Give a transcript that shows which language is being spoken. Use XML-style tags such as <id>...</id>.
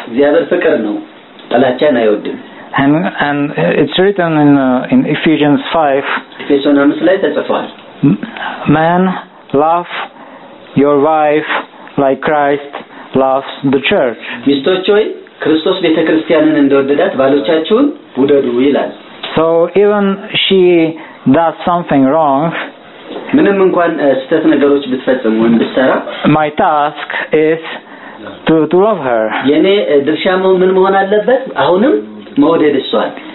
<am>እግዚአብሔር ፍቅር ነው ጥላቻን አይወድም</am> <en>and it's written in Ephesians 5</en> <am>Ephesians 5 ተጽፏል</am> <en>man love your wife like Christ loves the church</en> <am>ሚስቶቹን ክርስቶስ ቤተክርስቲያንን እንደወደዳት ባሎቻቸውን ውደዱ ይላል</am> <en>so even she does something wrong</en> <am>ምንም እንኳን ስህተት ነገሮች ብትፈጽም ወይ ብትሰራ</am> <en>my task is to love her</en> <am>የኔ ድርሻው ምን መሆን አለበት አሁንም መውደድ እሷን</am>